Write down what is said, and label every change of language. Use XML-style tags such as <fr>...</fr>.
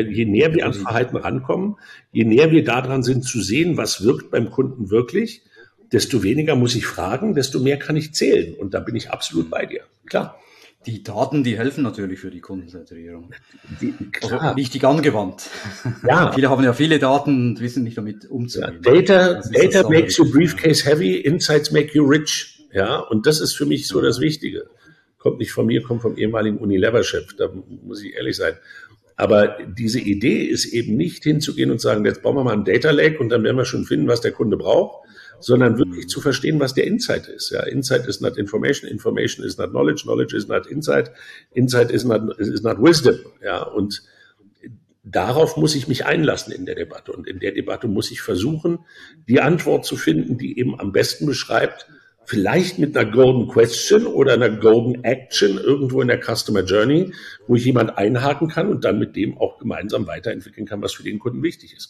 <de>Je näher wir an Verhalten rankommen, je näher wir daran sind zu sehen, was wirkt beim Kunden wirklich, desto weniger muss ich fragen, desto mehr kann ich zählen. Und da bin ich absolut bei dir. Klar. Die Daten, die helfen natürlich für die Kundenzentrierung. Klar. Also richtig angewandt. Ja. Viele haben ja viele Daten und wissen nicht, damit umzugehen. Ja.</de> <en>Data makes your briefcase heavy, insights make you rich.</en> <de>Ja, und das ist für mich so das Wichtige. Kommt nicht von mir, kommt vom ehemaligen Unilever-Chef, da muss ich ehrlich sein. Aber diese Idee ist eben nicht hinzugehen und sagen, jetzt bauen wir mal ein Data Lake und dann werden wir schon finden, was der Kunde braucht, sondern wirklich zu verstehen, was der Insight ist.</de> <en>Ja, Insight is not information, information is not knowledge, knowledge is not insight, insight is not wisdom.</en> <de>Ja, und darauf muss ich mich einlassen in der Debatte. Und in der Debatte muss ich versuchen, die Antwort zu finden, die eben am besten beschreibt, vielleicht mit einer Golden Question oder einer Golden Action irgendwo in der Customer Journey, wo ich jemand einhaken kann und dann mit dem auch gemeinsam weiterentwickeln kann, was für den Kunden wichtig ist.</de>